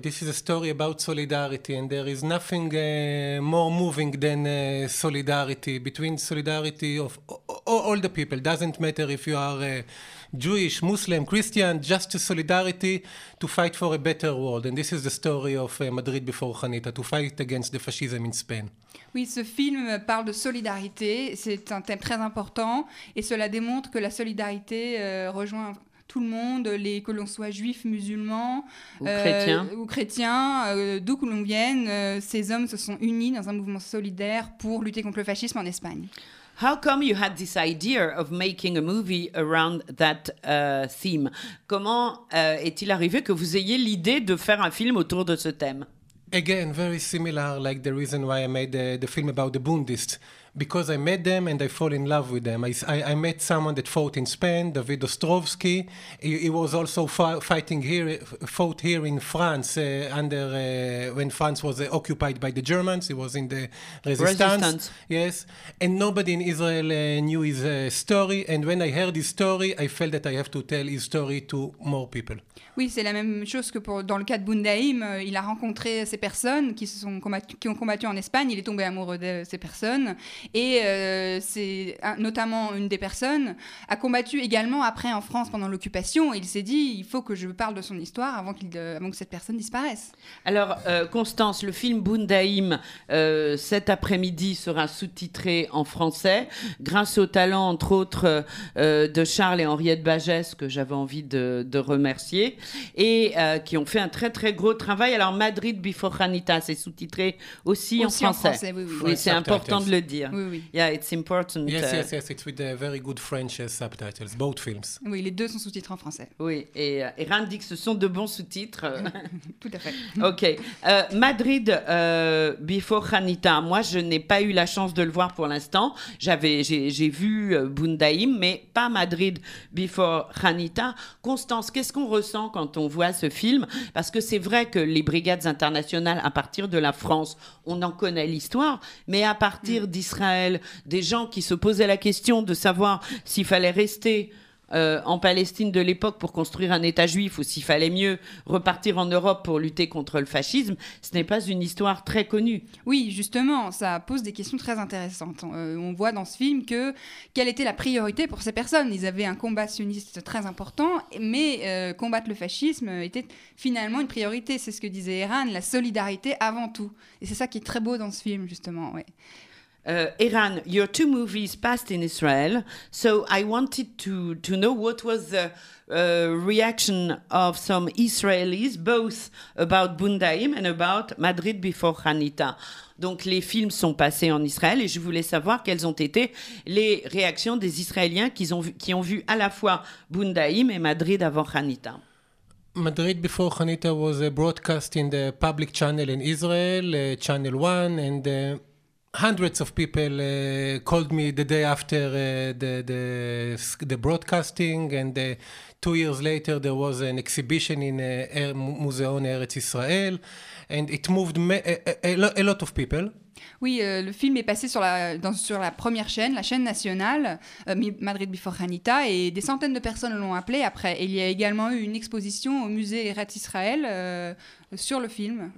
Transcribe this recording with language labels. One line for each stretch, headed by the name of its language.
English: This is a story about solidarity, and there is nothing more moving than solidarity, between solidarity of all the people. Doesn't matter if you are Jewish, Muslim, Christian, just to solidarity to fight for a better world. And this is the story of Madrid before Janita, to fight against the fascism in Spain.
French: Oui, ce film parle de solidarité. C'est un thème très important, et cela démontre que la solidarité rejoint tout le monde, que l'on soit juif, musulman ou chrétien, d'où que l'on vienne, ces hommes se sont unis dans un mouvement solidaire pour lutter contre le fascisme en Espagne.
English: How come you had this idea of making a movie around that theme?
French: Comment est-il arrivé que vous ayez l'idée de faire un film autour de ce thème?
English: Again, very similar like the reason why I made the film about the Bundists. because I met them and I fall in love with them. I met someone that fought in Spain, David Ostrovsky. He was also fought here in France when France was occupied by the Germans. He was in the resistance. Yes. And nobody in Israel knew his story. And when I heard his story, I felt that I have to tell his story to more people.
French: Oui, c'est la même chose que dans le cas de Bundaïm. Il a rencontré ces personnes qui ont combattu en Espagne. Il est tombé amoureux de ces personnes. Et c'est notamment une des personnes a combattu également après en France pendant l'occupation. Il s'est dit, il faut que je parle de son histoire avant que cette personne disparaisse. Alors, Constance, le film Bundaïm, cet après-midi, sera sous-titré en français grâce au talent, entre autres, de Charles et Henriette Bagès, que j'avais envie de remercier, et qui ont fait un très, très gros travail. Alors, Madrid Before Janita, c'est sous-titré aussi en français. En français, oui. C'est important de le dire. Oui.
English: Yeah, it's important. Yes, it's with very good French subtitles, both films.
French: Oui, les deux sont sous-titrés en français. Oui, et Rand dit que ce sont de bons sous-titres. Tout à fait. OK. Madrid Before Janita, moi, je n'ai pas eu la chance de le voir pour l'instant. J'ai vu Bundaïm, mais pas Madrid Before Janita. Constance, qu'est-ce qu'on ressent quand on voit ce film? Parce que c'est vrai que les brigades internationales, à partir de la France, on en connaît l'histoire, mais à partir d'Israël, des gens qui se posaient la question de savoir s'il fallait rester en Palestine de l'époque pour construire un État juif ou s'il fallait mieux repartir en Europe pour lutter contre le fascisme, ce n'est pas une histoire très connue. Oui, justement, ça pose des questions très intéressantes. On voit dans ce film quelle était la priorité pour ces personnes. Ils avaient un combat sioniste très important, mais combattre le fascisme était finalement une priorité. C'est ce que disait Eran, la solidarité avant tout. Et c'est ça qui est très beau dans ce film, justement, ouais.
English: Eran, your two movies passed in Israel, so I wanted to know what was the reaction of some Israelis, both about Bundaïm and about Madrid Before Janita.
French: Donc les films sont passés en Israël et je voulais savoir quelles ont été les réactions des Israéliens qui ont vu à la fois Bundaïm et Madrid avant Janita.
English: Madrid Before Janita was broadcast in the public channel in Israel, Channel 1, and hundreds of people called me the day after the broadcasting, and 2 years later there was an exhibition in Muzeon Eretz Israel, and it moved a lot of people.
French: Oui, le film est passé sur la première chaîne, la chaîne nationale, Madrid Before Janita, et des centaines de personnes l'ont appelé après. Et il y a également eu une exposition au musée Eretz Israel sur le film.